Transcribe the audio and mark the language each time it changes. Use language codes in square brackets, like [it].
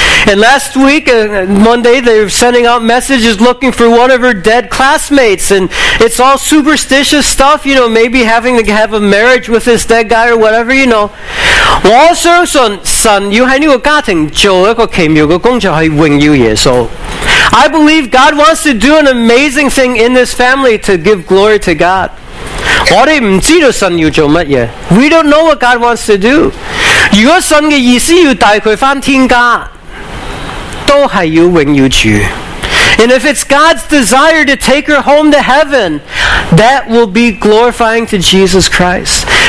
[en] And last week, Monday, they're sending out messages looking for one of her dead classmates, and it's all superstitious stuff, you know, maybe having to have a marriage with this dead guy or whatever, you know. [yue] 我相信神要在這個家庭做一個奇妙的工作，去榮耀耶穌。 [en] I believe God wants to do an amazing thing in this family to give glory to God. We don't know what God wants to do. [yue] 如果神的意思要带她回天家，都是要荣耀主。 [en] And if it's God's desire to take her home to heaven, that will be glorifying to Jesus Christ.